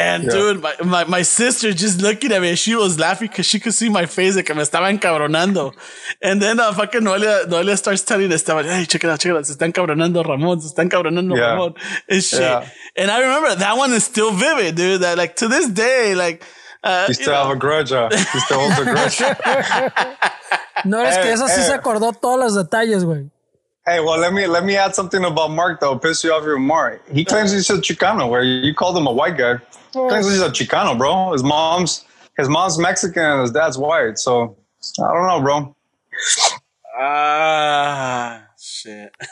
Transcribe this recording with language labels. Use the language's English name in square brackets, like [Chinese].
[English] Dude, my sister just looking at me, and she was laughing because she could see my face, [Spanish] que me estaba encabronando. [English] And then fucking Noelia starts telling Esteban, hey, check it out, [Spanish] se está encabronando Ramón. [English] And shit. Yeah. And I remember that one is still vivid, dude, that to this day, you still have a grudge, huh? You still hold a grudge. [Spanish] No, es que eso sí se acordó todos los detalles, güey. [English] Hey, well, let me add something about Mark that will piss you off even more. He claims he's a Chicano. Where you called him a white guy, he claims he's a Chicano, bro. His mom's Mexican and his dad's white. So I don't know, bro. Shit.